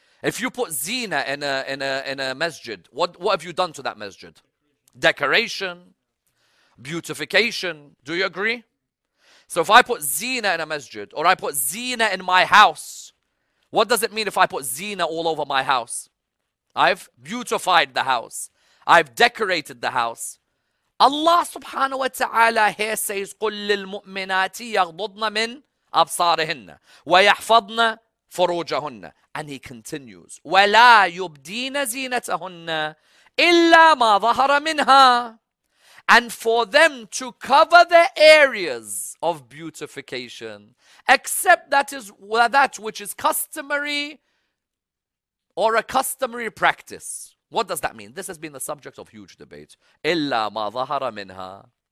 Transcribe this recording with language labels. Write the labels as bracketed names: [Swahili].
[English] If you put zina in a masjid, what have you done to that masjid? Decoration. Beautification. Do you agree? So if I put zina in a masjid, or I put zina in my house, what does it mean if I put zina all over my house? I've beautified the house. I've decorated the house. [Arabic] Allah subhanahu wa ta'ala [English] here says, [Arabic] قُلْ لِلْمُؤْمِنَاتِ يَغْضُضْنَ مِنْ أَبْصَارِهِنَّ وَيَحْفَضْنَ فُرُوجَهُنَّ. [English] And he continues, [Arabic] وَلَا يُبْدِينَ زِينَتَهُنَّ إِلَّا مَا ظَهَرَ مِنْهَا. [English] And for them to cover their areas of beautification, except that which is customary or a customary practice. What does that mean? This has been the subject of huge debate. [Arabic] إِلَّا مَا ظَهَرَ مِنْهَا.